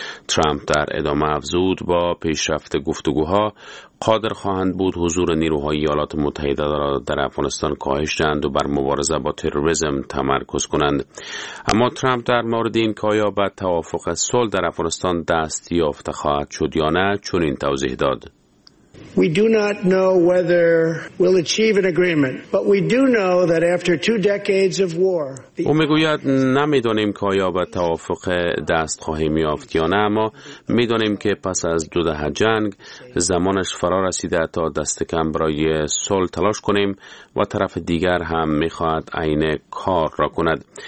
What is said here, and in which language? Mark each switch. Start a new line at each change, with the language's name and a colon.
Persian: ترامپ در ادامه افزود با پیشرفت گفتگوها قادر خواهند بود حضور نیروهای ایالات متحده در افغانستان کاهش دهند و بر مبارزه با تروریسم تمرکز کنند. اما ترامپ در مورد این که آیا به توافق صلح در افغانستان دست یافته خواهد شد یا نه چنین توضیح داد:
English: We do not know whether we'll achieve an agreement, but we do know that after two decades of war.
Persian: او میگوید نمیدانیم که آیا به توافق دست خواهیم یافت یا نه، اما میدانیم که پس از دو دهه جنگ زمانش فرا رسیده تا دست کم برای صلح تلاش کنیم و طرف دیگر هم میخواهد عین کار را کند.